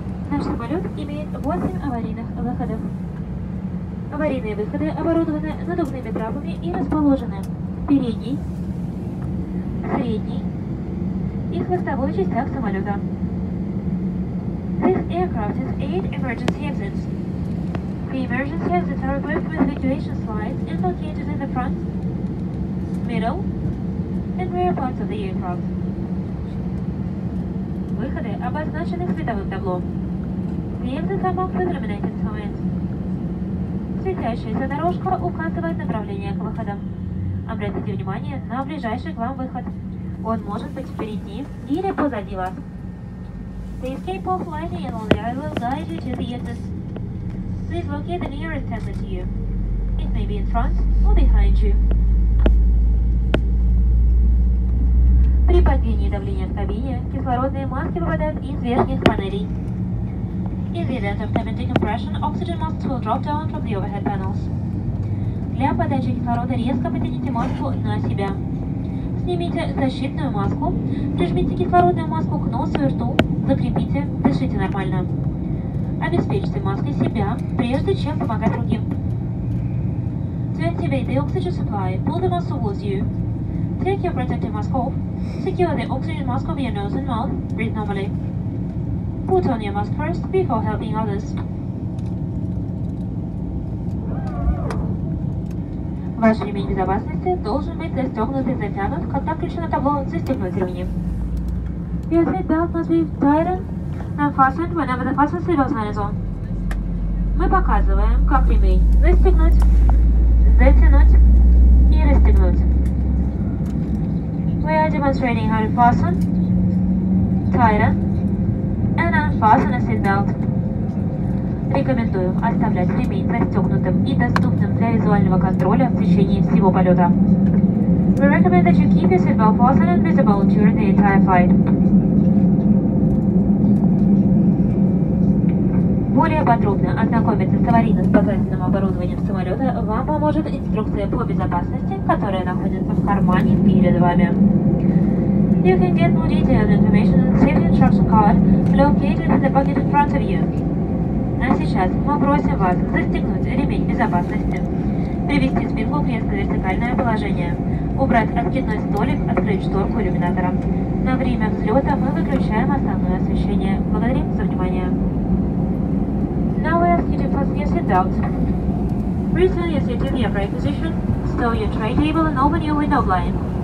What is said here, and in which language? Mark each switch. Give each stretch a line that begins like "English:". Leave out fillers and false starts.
Russian: Наш самолет имеет 8 аварийных выходов. Аварийные выходы оборудованы надувными трапами и расположены в передней, средней и хвостовой частях самолета.
English: This aircraft has 8 emergency exits. The emergency exits are equipped with evacuation slides and located in the front, middle, and rear parts of the aircraft.
Russian: Выходы обозначены световым табло.
English: The exits are marked with illuminated signs.
Russian: Светящаяся дорожка указывает направление к выходам. Обратите внимание на ближайший к вам выход. Он может быть впереди или позади вас.
English: The escape off landing and on the aisle will guide you to the exits. Please locate the nearest exit to you. It may be in front or behind you.
Russian: При падении давления в кабине кислородные маски выпадают из верхних панелей.
English: In the event of cabin decompression, oxygen masks will drop down from the overhead panels.
Russian: Для подачи кислорода резко потяните маску на себя. Снимите защитную маску, прижмите кислородную маску к носу и рту, закрепите, дышите нормально. Обеспечьте маской себя, прежде чем помогать другим.
English: To activate the oxygen supply, pull the mask towards you. Take your protective mask off, secure the oxygen mask over your nose and mouth, breathe normally. Put on your mask first, before helping others.
Russian: Ваш ремень безопасности должен быть застегнут и затянут, когда включено табло «Застегнуть ремни».
English: Your seatbelt must be tightened and fastened whenever the fasten seatbelt sign is on.
Russian: Мы показываем, как ремень застегнуть, затянуть и расстегнуть.
English: We are demonstrating how to fasten, tighten, and unfasten a seatbelt.
Russian: Рекомендую оставлять ремень застегнутым и доступным для визуального контроля в течение всего полета.
English: We recommend that you keep your seatbelt fastened and visible during the entire flight.
Russian: Более подробно ознакомиться с аварийно-спасательным оборудованием самолета вам поможет инструкция по безопасности, которая находится в кармане перед вами.
English: You can get more detailed information on the safety instruction card located in the pocket in front of you.
Russian: А сейчас мы просим вас застегнуть ремень безопасности, привести спинку кресла в вертикальное положение, убрать откидной столик, открыть шторку иллюминатора. На время взлета мы выключаем основное освещение. Благодарим за внимание.
English: Now we ask you to fasten your seatbelt. Return your seat to the upright position, stow your tray table and open your window blind.